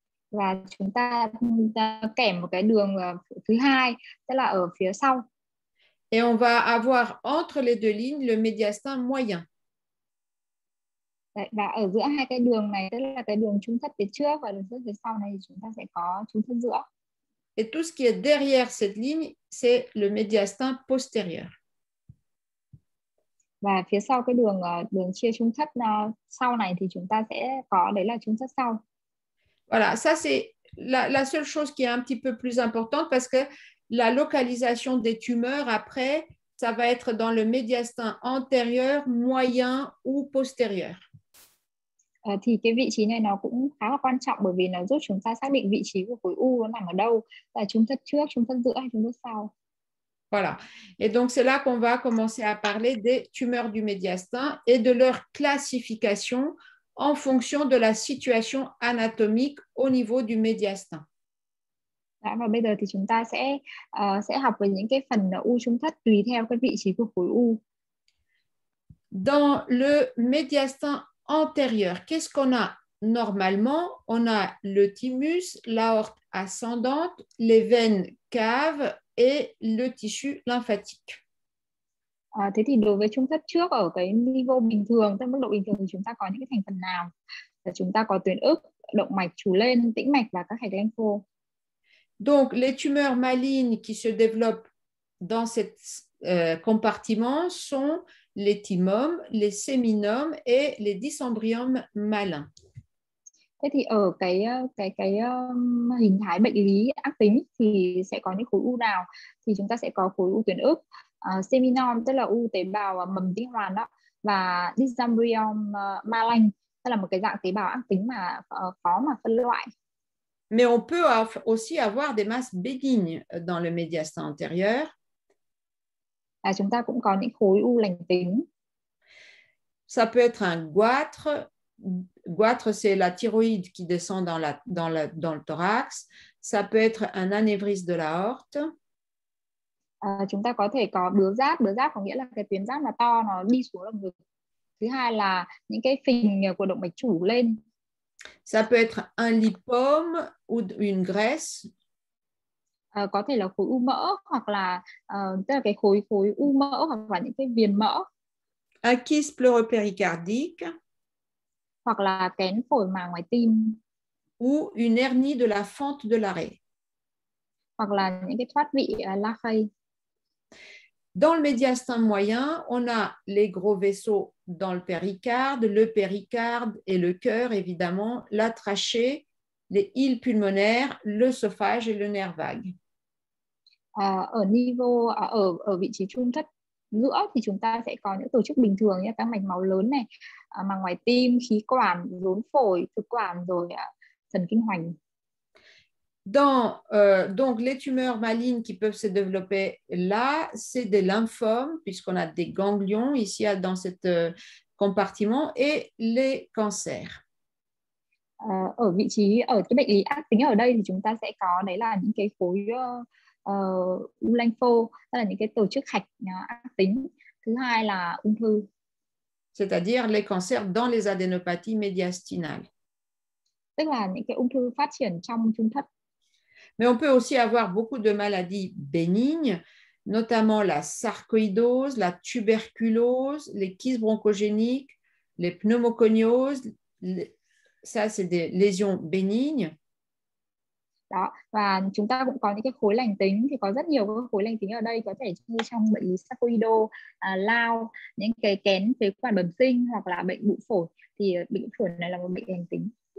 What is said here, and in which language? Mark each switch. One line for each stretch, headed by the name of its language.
Vietnamese: Và chúng ta kẻ một cái đường thứ hai, tức là ở phía sau.
French: Et on va avoir entre les deux lignes le médiastin moyen.
Vietnamese: Và ở giữa hai cái đường này, tức là cái đường trung thất phía trước và đường trung thất phía sau này, thì chúng ta sẽ có trung thất giữa.
French: Et tout ce qui est derrière cette ligne, c'est le médiastin postérieur.
Vietnamese: Và phía sau cái đường chia trung thất sau này, thì chúng ta sẽ có, đấy là trung thất sau.
French: Voilà, ça c'est la seule chose qui est un petit peu plus importante, parce que la localisation des tumeurs après, ça va être dans le médiastin antérieur, moyen ou postérieur.
Vietnamese: Thì cái vị trí này nó cũng khá là quan trọng bởi vì nó giúp chúng ta xác định vị trí của khối u nó nằm ở đâu, là trung thất trước, trung thất giữa hay trung thất sau.
French: Voilà. Et donc c'est là qu'on va commencer à parler des tumeurs du médiastin et de leur classification en fonction de la situation anatomique au niveau du médiastin.
Vietnamese: Đã, và bây giờ thì chúng ta sẽ học về những cái phần u trung thất tùy theo cái vị trí của khối u.
French: Dans le médiastin antérieur, qu'est-ce qu'on a normalement? On a le thymus, l'aorte ascendante, les veines caves et le tissu lymphatique.
Vietnamese: Thế thì đối với trung thất trước ở cái niveau bình thường, tức mức độ bình thường thì chúng ta có những cái thành phần nào? Chúng ta có tuyến ức, động mạch chủ lên, tĩnh mạch và các hạch lympho.
French: Donc les tumeurs malignes qui se développent dans cet compartiment sont les thymomes, les séminomes et les dysembryomes malins.
Vietnamese: Thế thì ở cái hình thái bệnh lý ác tính thì sẽ có những khối u nào? Thì chúng ta sẽ có khối u tuyến ức, seminom tức là u tế bào mầm tinh hoàn đó, và dysembryon malignant, tức là một cái dạng tế bào ác tính mà khó mà phân loại.
French: Mais on peut aussi avoir des masses bénignes dans le médiastin antérieur.
Vietnamese: À, chúng ta cũng có những khối u lành tính.
French: Ça peut être un goitre. Goitre, c'est la thyroïde qui descend dans, la, dans, la, dans le thorax. Ça peut être un anévrisme de l'aorte.
Vietnamese: À, chúng ta có thể có bướu giáp. Bướu giáp có nghĩa là cái tuyến giáp là to, nó đi xuống lồng ngực. Thứ hai là những cái phình của động mạch chủ lên.
French: Ça peut être un lipome ou une graisse.
Vietnamese: Có thể là khối u mỡ hoặc là tức là cái khối khối u mỡ hoặc là những cái viền mỡ.
French: Un kyste pleuropéricardique.
Vietnamese: Hoặc là kén phổi màng ngoài tim.
French: Ou une hernie de la fente de l'arrêt.
Vietnamese: Hoặc là những cái thoát vị Lachey.
French: Dans le médiastin moyen, on a les gros vaisseaux dans le péricarde et le cœur, évidemment, la trachée, les îles pulmonaires, l'œsophage et le nerf vague.
Vietnamese: Ở niveau, ở vị trí trung thất giữa thì chúng ta sẽ có những tổ chức bình thường như các mạch máu lớn này, màng ngoài tim, khí quản, rốn phổi, thực quản rồi thần kinh hoành.
French: Dans, donc les tumeurs malignes qui peuvent se développer là, c'est des lymphomes puisqu'on a des ganglions ici dans ce compartiment et les cancers.
Vietnamese: Ở vị trí ở cái bệnh lý ác tính ở đây thì chúng ta sẽ có đấy là những cái khối u lanh phô, tức là những cái tổ chức hạch ác tính. Thứ hai là ung thư.
French: C'est-à-dire les cancers dans les adénopathies médiastinales.
Vietnamese: Tức là những cái ung thư phát triển trong trung thất.
French: Mais on peut aussi avoir beaucoup de maladies bénignes, notamment la sarcoïdose, la tuberculose, les kystes bronchogéniques, les pneumoconioses. Ça, c'est des lésions bénignes.
Vietnamese: Đó. Và chúng ta cũng có những cái khối lành tính, thì có rất nhiều khối lành tính ở đây, có thể như trong bệnh sarcoido, lao, những cái kén phế quản bẩm sinh hoặc là bệnh bụi phổi, thì bệnh phổi này là một bệnh lành tính.